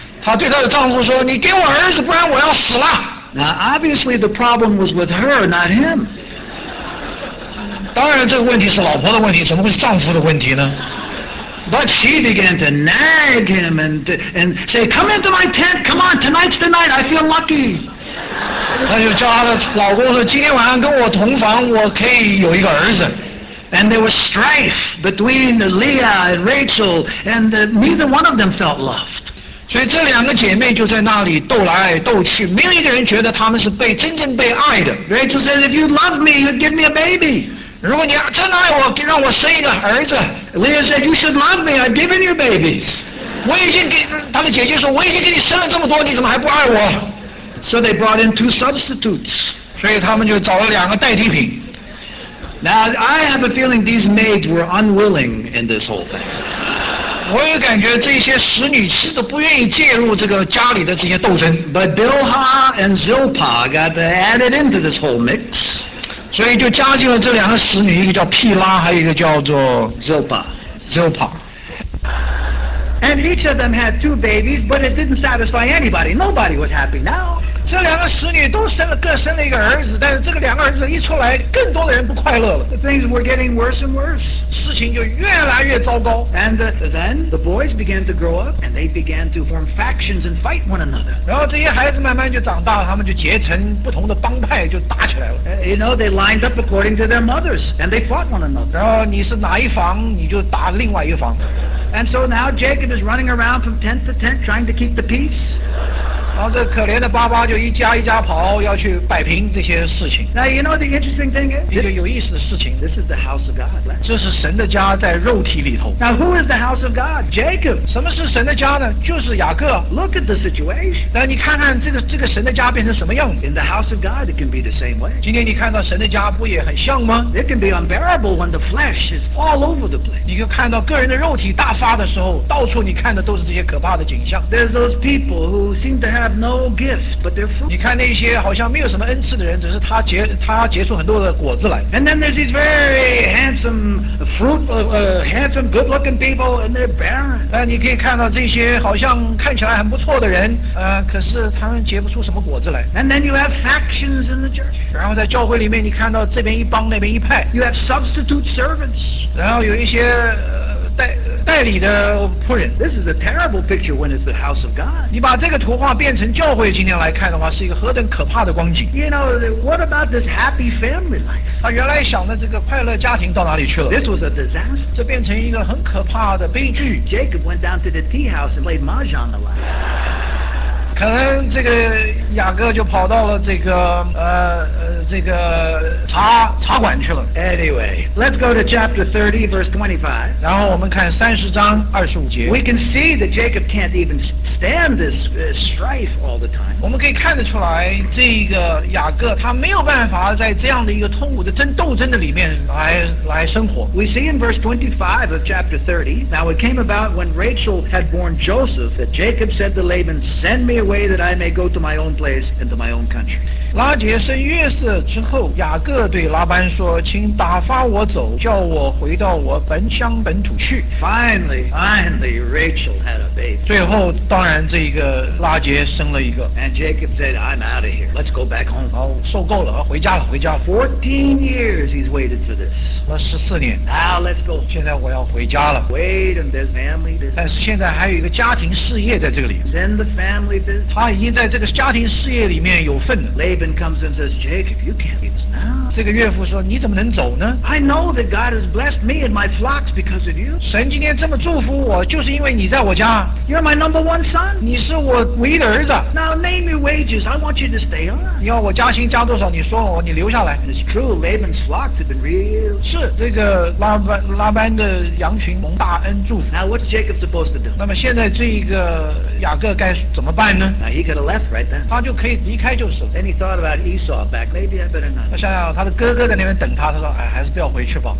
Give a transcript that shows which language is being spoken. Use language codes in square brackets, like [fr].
[zh] 她对她的丈夫说你给我儿子不然我要死了 [en] Now, obviously, the problem was with her, not him. [zh] 当然这个问题是老婆的问题，怎么会是丈夫的问题呢？ [en] But she began to nag him and say, Come into my tent, come on, tonight's the night, I feel lucky. [zh] 她就叫她的老公说，今天晚上跟我同房，我可以有一个儿子。 [en] And there was strife between Leah and Rachel, and neither one of them felt loved. [zh] 所以这两个姐妹就在那里斗来斗去，没有一个人觉得她们是被真正被爱的。 [en] Rachel says, "If you love me, you'd give me a baby." [zh] 如果你真爱我，让我生一个儿子。 [en] Leah said, "You should love me. I've given you babies." [zh] 我已经给她的姐姐说，我已经给你生了这么多，你怎么还不爱我 [en] ？So they brought in two substitutes. [zh] 所以他们就找了两个代替品。 [en] Now I have a feeling these maids were unwilling in this whole thing. [zh] 我也感觉这些使女其实都不愿意介入这个家里的这些斗争。 [en] But Bilhah and Zilpah got added into this whole mix. [zh] 所以就加进了这两个使女，一个叫毗拉，还有一个叫做 Zilpah. [en] Zilpah. And each of them had two babies, but it didn't satisfy anybody. Nobody was happy now. [zh] 这两个使女都生了各生了一个儿子，但是这个两个儿子一出来，更多的人不快乐了。 [en] Things were getting worse and worse. [zh] 事情就越来越糟糕。 [en] And then the boys began to grow up, and they began to form factions and fight one another. [zh] 然后这些孩子慢慢就长大了，他们就结成不同的帮派，就打起来了。 [en] You know, they lined up according to their mothers, and they fought one another. [zh] 然后你是哪一房，你就打另外一房。 [en] And so now Jacob is running around from tent to tent, trying to keep the peace. [zh] 然后这可怜的爸爸就一家一家跑，要去摆平这些事情。 [en] Now you know the interesting thing is [zh] 一个有意思的事情。 [en] This is the house of God. [zh] 这是神的家在肉体里头。 [en] Now who is the house of God? Jacob. [zh] 什么是神的家呢？就是雅各。 [en] Look at the situation. [zh] 那你看看这个神的家变成什么样 [en] ？In the house of God, it can be the same way. [zh] 今天你看到神的家不也很像吗 [en] ？It can be unbearable when the flesh is all over the place. [zh] 你就看到个人的肉体大发的时候，到处你看的都是这些可怕的景象。 [en] There's those people who seem to have no gift, but they're fruit. [zh] 你看那些好像没有什么恩赐的人，只是他结出很多的果子来。 [en] And then there's these very handsome, handsome, good-looking people, and they're barren. [zh] 你可以看到这些好像看起来很不错的人，可是他们结不出什么果子来。 [en] And then you have factions in the church. [zh] 然后在教会里面，你看到这边一帮，那边一派。 [en] You have substitute servants. [zh] 然后有一些。代理的仆人 [en] This is a terrible picture when it's the house of God [zh] 你把这个图画变成教会今天来看的话是一个何等可怕的光景 [en] You know, what about this happy family life? [zh] 他原来想的这个快乐家庭到哪里去了 [en] This was a disaster [zh] 这变成一个很可怕的悲剧 [en] Jacob went down to the tea house and played mahjong a lot [zh] 可能这个雅各就跑到了这个这个茶茶馆去了。 [en] Anyway, let's go to chapter 30, verse 25. [zh] 然后我们看三十章二十五节。 [en] We can see that Jacob can't even stand this strife all the time. [zh] 我们可以看得出来，这个雅各他没有办法在这样的一个痛苦的斗争的里面来生活。 [en] We see in verse 25 of chapter 30. Now it came about when Rachel had borne Joseph that Jacob said to Laban, "Send me away that I may go to my own place and to my own country." [zh] 拉结生约瑟之后，雅各对拉班说，请打发我走，叫我回到我本乡本土去。 [en] Finally, Rachel had a baby. [zh] 最后当然这个拉结生了一个。 [en] And Jacob said, I'm out of here. Let's go back home. [zh] 好，受够了，回家了，回家了。 [en] 14 years he's waited for this. [zh] 那14年。 [en] Now let's go. [zh] 现在我要回家了。 [en] Wait, and there's family business. [zh] 但是现在还有一个家庭事业在这个里。 [en] Then the family business. [zh] 他已经在这个家庭事业里面有份了。 [en] Laban comes and says, Jacob, you can't leave us now. [zh] 这个岳父说，你怎么能走呢？ [en] I know that God has blessed me and my flocks because of you. [zh] 神今天这么祝福我，就是因为你在我家。 [en] You're my number one son. [zh] 你是我唯一的儿子。 [en] Now name your wages. I want you to stay on. [zh] 你要我加薪加多少？你说我，你留下来。 [en] And it's true, Laban's flocks have been real. [zh] 是这个拉班的羊群蒙大恩祝福。 [en] Now what's Jacob supposed to do? [zh] 那么现在这一个雅各该怎么办呢？ [en] Now he could have left right then. [zh] 他就可以离开就是。 [en] Then he thought about Esau back. Maybe I better not. [zh] 他想想他的哥哥在那边等他，他说，哎，还是不要回去吧。